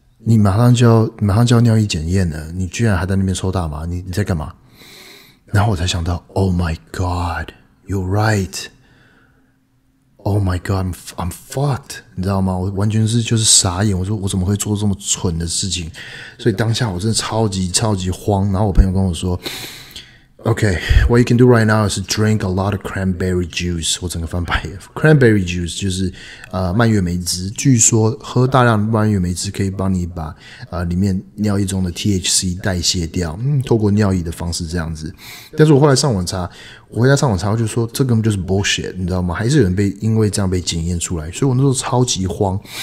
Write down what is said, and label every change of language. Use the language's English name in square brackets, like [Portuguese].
[Chinese] 你马上就要尿液检验了，你居然还在那边抽大麻，你在干嘛？” 然后我才想到 [English] ：“Oh my God, you're right. Oh my God, I'm fucked。” [Chinese] 你知道吗？我完全是就是傻眼。我说我怎么会做这么蠢的事情？所以当下我真的超级超级慌。然后我朋友跟我说。 [English] Okay, what you can do right now is drink a lot of cranberry juice. [Chinese] 我整个翻白眼。Cranberry juice 就是蔓越莓汁。据说喝大量蔓越莓汁可以帮你把里面尿液中的 THC 代谢掉，透过尿液的方式这样子。但是我回家上网查，我就说这根本就是 bullshit， 你知道吗？还是有人被因为这样被检验出来，所以我那时候超级慌。